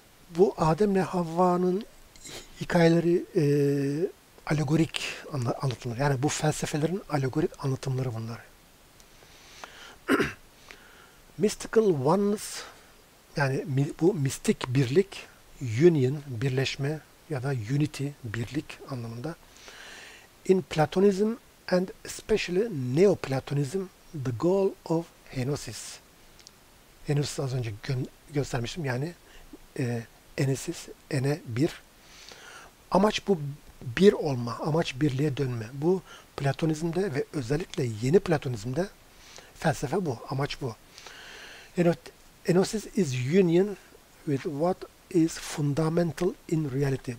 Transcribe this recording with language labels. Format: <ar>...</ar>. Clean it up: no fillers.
<tr>Bu Adem'le Havva'nın hikayeleri alegorik anlatımlar. Yani bu felsefelerin alegorik anlatımları bunlar.</tr> <en>Mystical oneness</en> <tr>yani bu mistik birlik, union birleşme ya da unity birlik anlamında.</tr> <en>In Platonism and especially Neoplatonism, the goal of henosis.</en> <tr>Henosis az önce göstermiştim yani enesis, ene bir. Amaç bu bir olma, amaç birliğe dönme. Bu Platonizm'de ve özellikle yeni Platonizm'de felsefe bu, amaç bu.</tr> <en>Enosis is union with what is fundamental in reality.</en>